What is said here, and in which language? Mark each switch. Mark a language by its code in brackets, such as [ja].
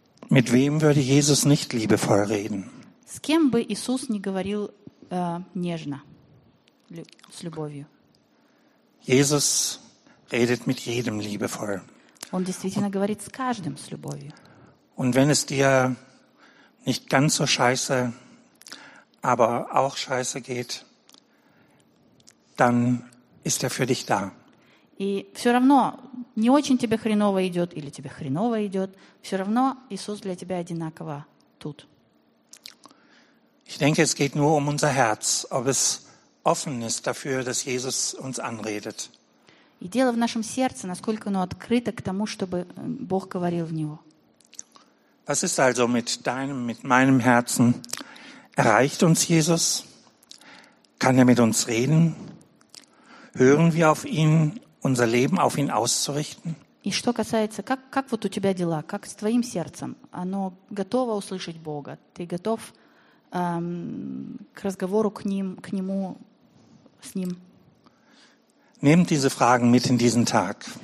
[de] Mit wem würde Jesus nicht liebevoll reden? [ru] С кем бы Иисус не говорил нежно, с любовью? [de] Jesus redet mit jedem liebevoll. [ru] Он действительно говорит с каждым с любовью. [de] Und wenn es dir nicht ganz so scheiße, aber auch scheiße geht, dann ist für dich da. [ru] И все равно не очень тебе хреново идет или тебе хреново идет, все равно Иисус для тебя одинаково тут. [de] Ich denke, es geht nur unser Herz, ob es offen ist dafür, dass Jesus uns anredet. [ru] И дело в нашем сердце, насколько оно открыто к тому, чтобы Бог говорил в него. [de] Was ist also mit deinem, mit meinem Herzen? Erreicht uns Jesus? Kann mit uns reden? Hören wir auf ihn, unser Leben auf ihn auszurichten? [ru] И что касается, как вот у тебя дела, как с твоим сердцем? Оно готово услышать Бога? Ты готов к разговору к нему, с ним? [de] Nehmt diese Fragen mit in diesen Tag.